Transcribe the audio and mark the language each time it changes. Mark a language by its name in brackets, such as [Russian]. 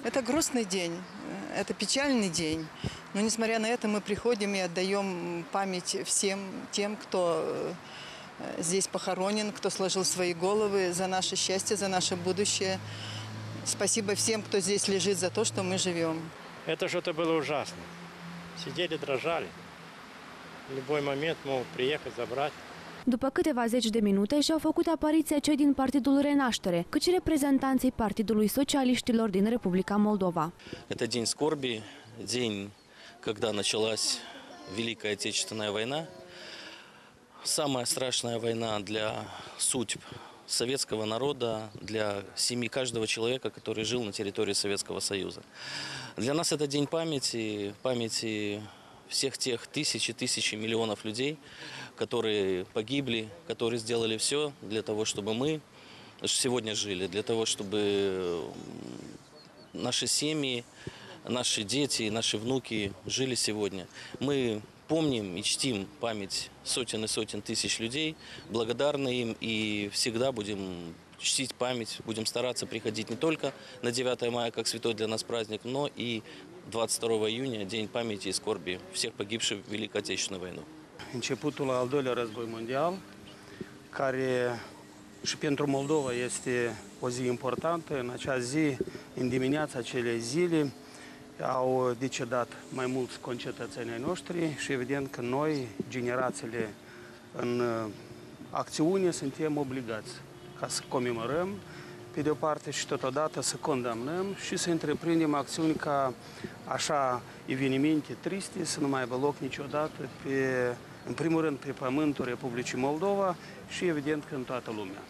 [Russian] Это грустный день, это печальный день. Но несмотря на это, мы приходим и отдаем память всем тем, кто здесь похоронен, кто сложил свои головы за наше счастье, за наше будущее. Спасибо всем, кто здесь лежит, за то, что мы живем. Это что-то было ужасно. Сидели, дрожали. В любой момент мог приехать, забрать. [Romanian] După câteva zeci de minute și-au făcut apariția cei din Partidul Renaștere, cât și reprezentanții Partidului Socialiștilor din Republica Moldova. [Russian] Это день скорби, день, когда началась Великая Отечественная война. Самая страшная война для судьб советского народа, для семьи каждого человека, который жил на территории Советского Союза. Для нас это день памяти, памяти всех тех тысяч и тысяч миллионов людей, которые погибли, которые сделали все для того, чтобы мы сегодня жили, для того, чтобы наши семьи, наши дети, наши внуки жили сегодня. Мы помним и чтим память сотен и сотен тысяч людей, благодарны им и всегда будем чтить память, будем стараться приходить не только на 9 мая, как святой для нас праздник, но и 22 июня, день памяти и скорби всех погибших в Великой Отечественной войне. [Romanian] Începutul al doilea război mondial, care și pentru Moldova este o zi importantă. În acea zi, în dimineața acelei zile, au decedat mai mulți concetățeni ai noștri și evident că noi, generațiile în acțiune, suntem obligați ca să comemorăm, pe de o parte, și totodată să condamnăm și să întreprindem acțiuni ca așa evenimente triste să nu mai aibă loc niciodată pe, în primul rând, pe pământul Republicii Moldova și, evident, că în toată lumea.